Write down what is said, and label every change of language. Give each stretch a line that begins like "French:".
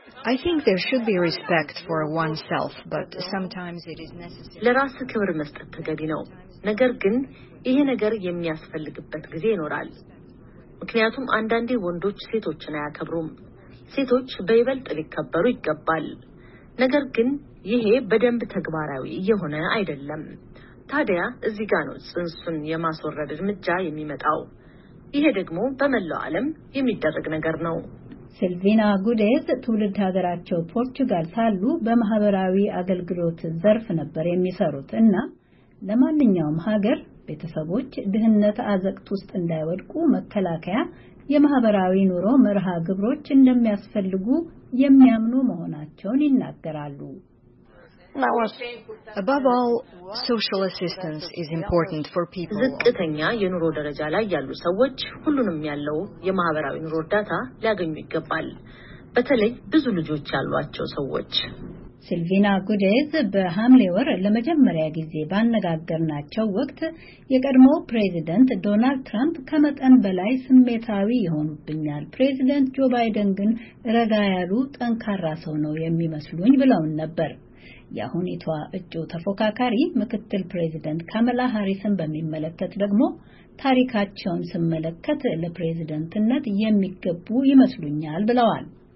English: I think there should be respect for oneself, but sometimes it is necessary.
Amharic: ለራስ ክብር መስጠት ተገቢ ነው። ነገር ግን ይሄ ነገር የሚያስፈልግበት ጊዜ ይኖራል። ምክንያቱም አንዳንዴ ወንዶች ሴቶችን አያከብሩም። ሴቶች በይበልጥ ሊከበሩ ይገባል። ነገር ግን ይሄ በደንብ ተግባራዊ የሆነ አይደለም። ታዲያ እዚህ ጋር ነው ጽንሱን የማስወረድ እርምጃ የሚመጣው። ይሄ ደግሞ በመላው ዓለም የሚደረግ ነገር ነው። ሲልቪና ጉዴዝ ትውልድ ሀገራቸው ፖርቹጋል ሳሉ በማህበራዊ አገልግሎት ዘርፍ ነበር የሚሰሩት እና ለማንኛውም ሀገር ቤተሰቦች ድህነት አዘቅት ውስጥ እንዳይወድቁ መከላከያ የማህበራዊ ኑሮ መርሃ ግብሮች እንደሚያስፈልጉ የሚያምኑ መሆናቸውን ይናገራሉ።
English: Above all, social assistance is important for people.
Amharic: ዝቅተኛ የኑሮ ደረጃ ላይ ያሉ ሰዎች ሁሉንም ያለው የማህበራዊ ኑሮ እርዳታ ሊያገኙ ይገባል። በተለይ ብዙ ልጆች ያሏቸው ሰዎች። ሲልቪና ጉዴዝ በሃምሌ ወር ለመጀመሪያ ጊዜ ባነጋገርናቸው ወቅት የቀድሞው ፕሬዝዳንት ዶናልድ ትራምፕ ከመጠን በላይ ስሜታዊ ይሆኑብኛል፣ ፕሬዝዳንት ጆ ባይደን ግን ረጋ ያሉ ጠንካራ ሰው ነው የሚመስሉኝ ብለውን ነበር። የሁኔታዋ እጩ ተፎካካሪ ምክትል ፕሬዝዳንት ካማላ ሃሪስን በሚመለከት ደግሞ ታሪካቸውን ስመለከት ለፕሬዝዳንትነት የሚገቡ ይመስሉኛል ብለዋል።